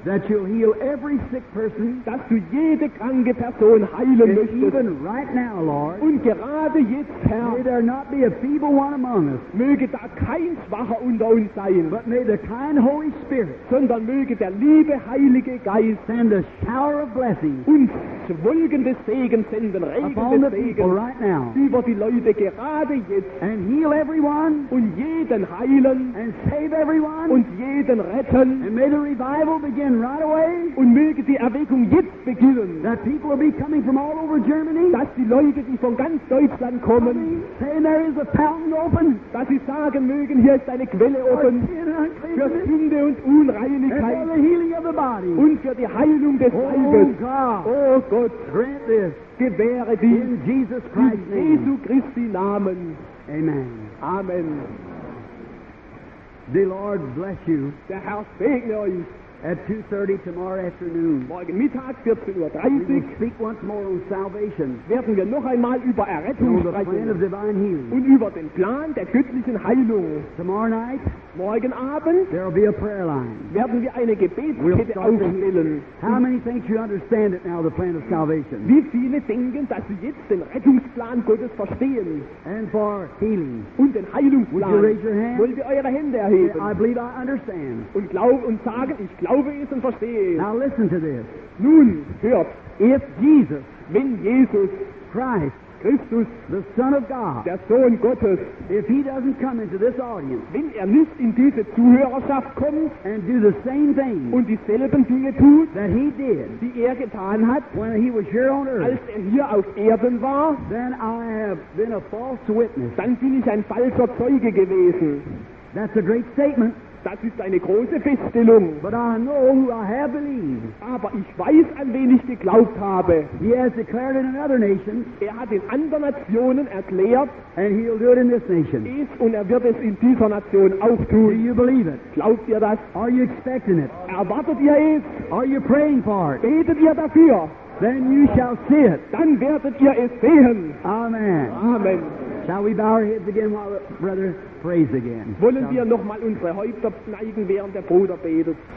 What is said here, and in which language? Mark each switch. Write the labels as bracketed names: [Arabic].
[English] that you'll heal every sick person, [German] dass du jede kranke Person heilen möchtest, [English] even right now, Lord, [German] und gerade jetzt, Herr, [English] may there not be a feeble one among us, [German] möge da kein Schwacher unter uns sein, [English] but may the kind Holy Spirit, [German] sondern möge der liebe Heilige Geist, [English] send a shower of blessings, [German] uns wolkende Segen senden, regende Segen, [English] right now, [German] über die Leute gerade jetzt, [English] and heal everyone, [German] und jeden heilen, [English] and save everyone, [German] und jeden retten, [English] and may the revival begin right away, [German] und möge die Erweckung jetzt beginnen, [English] that people will be coming from all over Germany, [German] dass die Leute, die von ganz Deutschland kommen, [English] saying there is a fountain open, [German] dass sie sagen mögen, hier ist eine Quelle offen, für Sünde und Unreinigkeit, [English] and for the healing of the body, [German] und für die Heilung des Leibes. [English] Oh Gott, grant this, [German] gewähre dies, [English] in Jesus Christ's name, [German] Jesu Christi Namen. [English] Amen. [German] Amen. [English] The Lord bless you. [German] Der Herr segne euch. [English] At 2:30 tomorrow afternoon. [German] Morgen Mittag 14:30. [English] We will speak once more on salvation. [German] Werden wir noch einmal über Errettung [English] and [German] sprechen. [English] The plan of divine healing. [German] Und über den Plan der göttlichen Heilung. [English] Tomorrow night. [German] Morgen Abend. [English] There will be a prayer line. [German] Werden wir eine Gebetskette aufstellen. [English] How many think you understand it now? The plan of salvation. [German] Wie viele denken, dass sie jetzt den Rettungsplan Gottes verstehen? [English] And for healing. [German] Und den Heilungsplan. [English] Will you raise your hand? [German] Wollt ihr eure Hände erheben? [English] I believe I understand. [German] Und glaube und sage ich. Glaube es und verstehe es. [English] Now listen to this. [German] Nun hört. [English] If Jesus, [German] wenn Jesus [English] Christ, [German] Christus, [English] the Son of God, [German] der Sohn Gottes, [English] if he doesn't come into this audience, [German] wenn er nicht in diese Zuhörerschaft kommt, [English] and do the same thing, [German] und dieselben Dinge tut, [English] that he did, [German] die er getan hat, [English] when he was here on earth, [German] als er hier auf Erden war, [English] then I have been a false witness. [German] Dann bin ich ein falscher Zeuge gewesen. [English] That's a great statement. [German] Das ist eine große Feststellung. [English] But I know who I have believed. [German] Aber ich weiß, an wen ich geglaubt habe. [English] He has declared in another nation. [German] Er hat in anderen Nationen erklärt. [English] And he'll do it in this nation. [German] Ist, und er wird es in dieser Nation auch tun. [English] Do you believe it? [German] Glaubt ihr das? [English] Are you expecting it? [German] Erwartet ihr es? [English] Are you praying for it? [German] Betet ihr dafür? [English] Then you shall see it. [German] Dann werdet ihr es sehen. [English] Amen. [German] Amen. [English] Shall we bow our heads again while the brother prays again? [German] Wollen wir nochmal unsere Häupter neigen, während der Bruder betet?